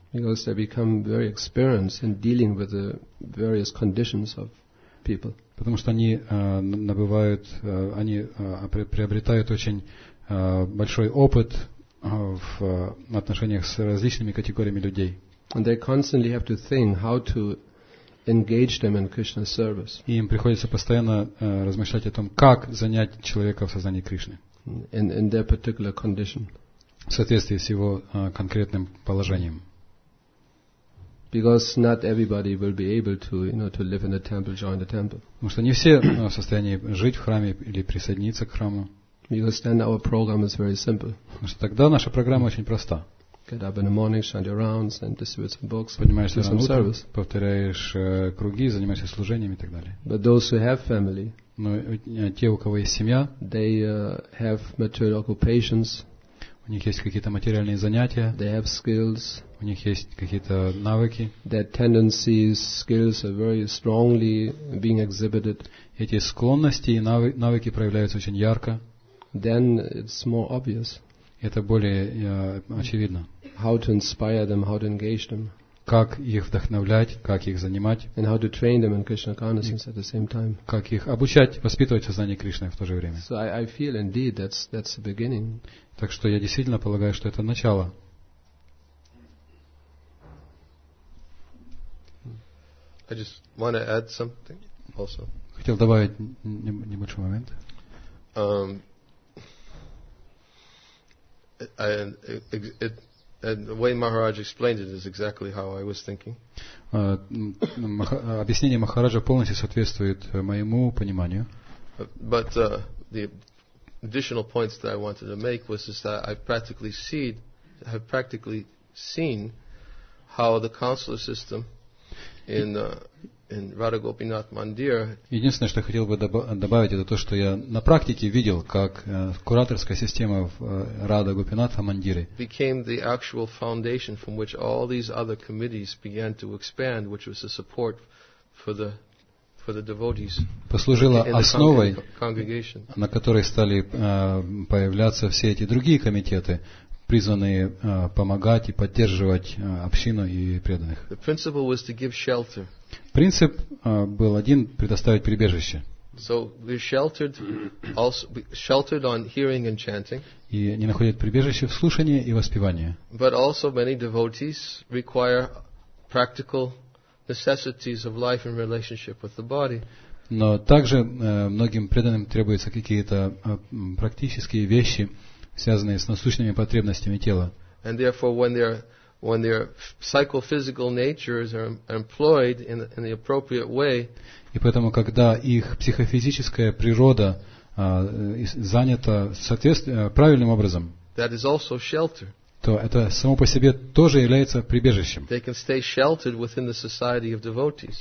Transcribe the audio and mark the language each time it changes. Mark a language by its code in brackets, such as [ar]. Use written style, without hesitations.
[en] Because they become very experienced in dealing with the various conditions of people. [ru] Потому что они набывают, они приобретают очень большой опыт в отношениях с различными категориями людей. [en] And they constantly have to think how to engage them in Krishna's service. [ru] И им приходится постоянно размышлять о том, как занять человека в сознании Кришны. [en] In their particular condition. [ru] В соответствии с его конкретным положением. [en] Because not everybody will be able to, you know, to live in the temple, join the temple. [ru] Потому что не все в состоянии жить в храме или присоединиться к храму. [en] Because then our program is very simple. [ru] Потому что тогда наша программа очень проста. [en] Get up in the morning, shine your rounds, and distribute some books. [ru] Поднимаешься на утро, повторяешь круги, занимаешься служением и так далее. [en] But those who have family, [ru] но те, у кого есть семья, [en] they have material occupations. [ru] У них есть какие-то материальные занятия. [en] They have skills. [ru] У них есть какие-то навыки. [en] Their tendencies, skills are very strongly being exhibited. [ru] Эти склонности и навыки проявляются очень ярко. [en] Then it's more obvious. [ru] Это более очевидно. [en] How to inspire them, how to engage them. [ru] Как их вдохновлять, как их занимать. [en] And how to train them in Krishna consciousness at the same time. [ru] Как их обучать, воспитывать сознание Кришны в то же время. [en] So I feel indeed that's the beginning. [ru] Так что я действительно полагаю, что это начало. [en] I just want to add something also. [ru] Хотел добавить небольшой момент. [en] It And the way Maharaj explained it is exactly how I was thinking. [ru] Объяснение Махараджа полностью соответствует моему пониманию. [en] But the additional points that I wanted to make was just that I have practically seen how the consular system in Radha Gopinath Mandir. [ru] Единственное, что я хотел бы добавить, это то, что я на практике видел, как кураторская система в Радха Гопинатха Мандире [en] became the actual foundation from which all these other committees began to expand, which was the support for the devotees. [ru] Послужила основой, на которой стали появляться все эти другие комитеты, призванные помогать и поддерживать общину и преданных. [en] The principle was to give shelter. [ru] Принцип был один – предоставить прибежище. [en] So we're sheltered, also sheltered on hearing and chanting. [ru] И они находят прибежище в слушании и воспевании. [en] But also many devotees require practical necessities of life in relationship with the body. [ru] Но также многим преданным требуются какие-то практические вещи, связанные с насущными потребностями тела. [en] And therefore, when their psychophysical natures are employed in the appropriate way. [ru] И поэтому, когда их психофизическая природа занята правильным образом, [en] that is also shelter. [ru] То это само по себе тоже является прибежищем. [en] They can stay sheltered within the society of devotees.